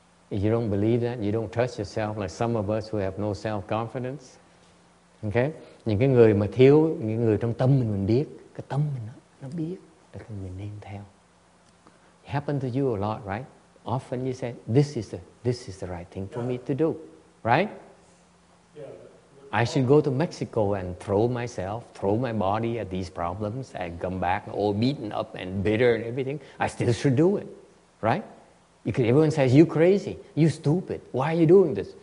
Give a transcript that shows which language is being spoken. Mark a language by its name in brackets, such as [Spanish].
[English] If you don't believe that, you don't trust yourself, like some of us who have no self-confidence. Okay? [Vietnamese] Những cái người mà thiếu, những người trong tâm mình biết, cái tâm mình nó biết, là cái người nên theo. [English] It happened to you a lot, right? Often you say, this is the right thing for me to do, right? I should go to Mexico and throw my body at these problems and come back all beaten up and bitter and everything. I still should do it, right? Because everyone says, you crazy, you stupid, why are you doing this?